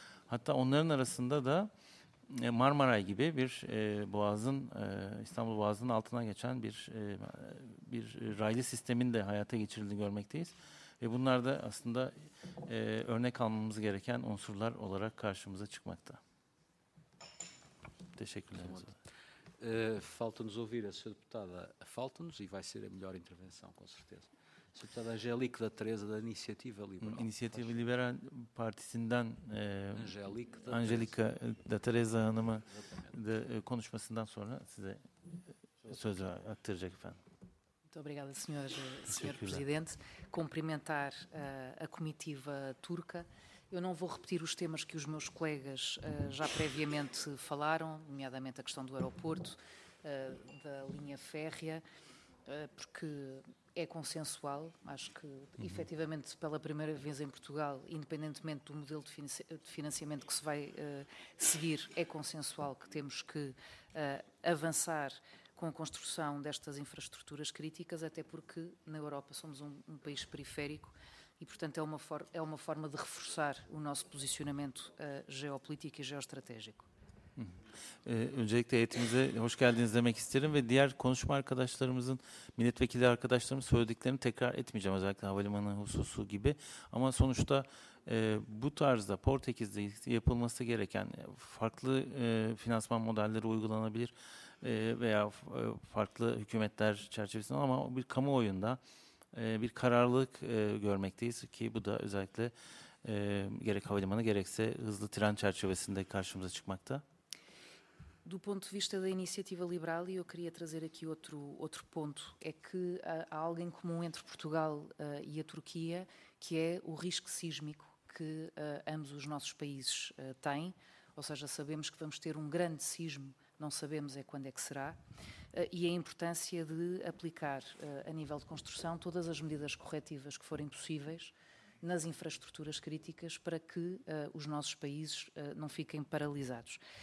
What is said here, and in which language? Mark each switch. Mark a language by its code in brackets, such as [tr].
[tr] Hatta onların arasında da Marmaray gibi bir Boğaz'ın, İstanbul Boğazı'nın altına geçen bir raylı sistemin de hayata geçirildiğini görmekteyiz. Ve bunlar da aslında örnek almamız gereken unsurlar olarak karşımıza çıkmakta. Teşekkürler. [pt] Falta-nos ouvir a Sra. Deputada, falta-nos e vai ser a melhor intervenção, com certeza. Sra. Deputada Angélique da Teresa, da Iniciativa Liberal. [tr] Iniciativa Liberal partisinden Angélique da Teresa Hanım'a de konuşmasından sonra size sözü aktaracak efendim. [pt] Muito obrigada, senhor Presidente. Cumprimentar a comitiva turca. Eu não vou repetir os temas que os meus colegas já previamente falaram, nomeadamente a questão do aeroporto, da linha férrea, porque é consensual. Acho que, efetivamente, pela primeira vez em Portugal, independentemente do modelo de financiamento que se vai seguir, é consensual que temos que avançar com a construção destas infraestruturas críticas, até porque na Europa somos um país periférico. E, portanto, é uma forma de reforçar o nosso posicionamento geopolítico e geoestratégico. [tr] Öncelikle heyetimize hoş geldiniz demek isterim ve diğer konuşma arkadaşlarımızın, milletvekili arkadaşlarımızın söylediklerini tekrar etmeyeceğim, özellikle havalimanı hususu gibi. Ama sonuçta bu tarzda Portekiz'de yapılması gereken farklı finansman modelleri uygulanabilir veya farklı hükümetler çerçevesinde, ama bir kamuoyunda bir kararlılık görmekteyiz ki bu da özellikle gerek havalimanı gerekse hızlı tren çerçevesinde karşımıza çıkmakta. [pt] Do ponto de vista da iniciativa liberal, e eu queria trazer aqui outro ponto, é que há algo em comum entre Portugal e a Turquia, que é o risco sísmico que ambos os nossos países têm, ou seja, sabemos que vamos ter um grande sismo, não sabemos é quando é que será, e a importância de aplicar a nível de construção todas as medidas corretivas que forem possíveis nas infraestruturas críticas para que os nossos países não fiquem paralisados.